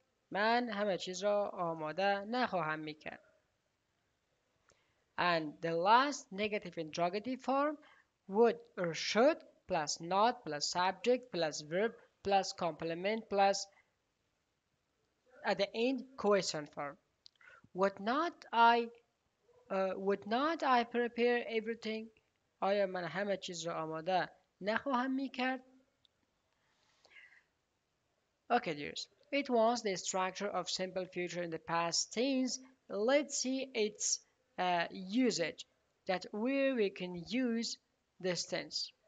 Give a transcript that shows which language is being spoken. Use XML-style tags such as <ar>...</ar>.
<fa>من همه چیز را آماده نخواهم می کرد.</fa> <en>And the last negative interrogative form, would or should plus not plus subject plus verb plus complement plus at the end question form. Would not I prepare everything?</en> <fa>آیا من همه چیز را آماده نخواهم می کرد؟</fa> <en>Okay, dears. It was the structure of simple future in the past tense. Let's see its usage, that where we can use this tense.</en>